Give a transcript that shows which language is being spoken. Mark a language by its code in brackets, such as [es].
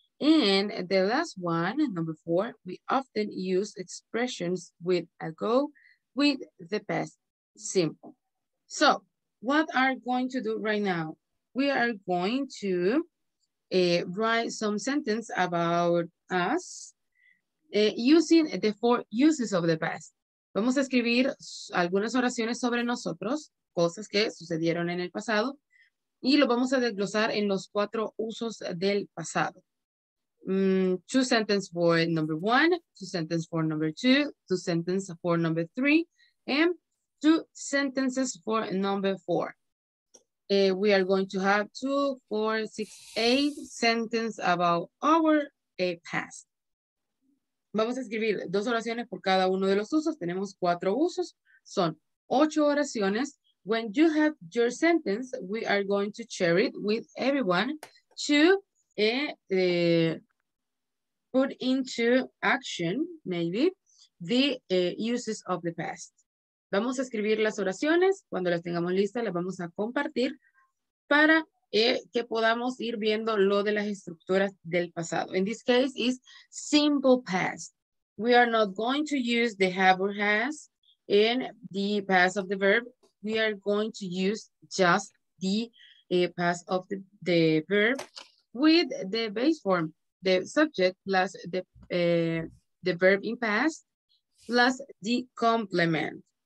[en] And the last one, number four, we often use expressions with ago with the past simple. So what are we going to do right now? We are going to write some sentence about us using the four uses of the past. [es] Vamos a escribir algunas oraciones sobre nosotros, cosas que sucedieron en el pasado, y lo vamos a desglosar en los cuatro usos del pasado. [en] Two sentences for number one, two sentences for number two, two sentences for number three, and two sentences for number four. We are going to have 2, 4, 6, 8 sentences about our past. [es] Vamos a escribir dos oraciones por cada uno de los usos. Tenemos cuatro usos. Son 8 oraciones. [en] When you have your sentence, we are going to share it with everyone to put into action, maybe, the uses of the past. [es] Vamos a escribir las oraciones. Cuando las tengamos listas, las vamos a compartir para que podamos ir viendo lo de las estructuras del pasado. [en] In this case, it's simple past. We are not going to use the have or has in the past of the verb. We are going to use just the past of the verb with the base form, the subject plus the verb in past plus the complement.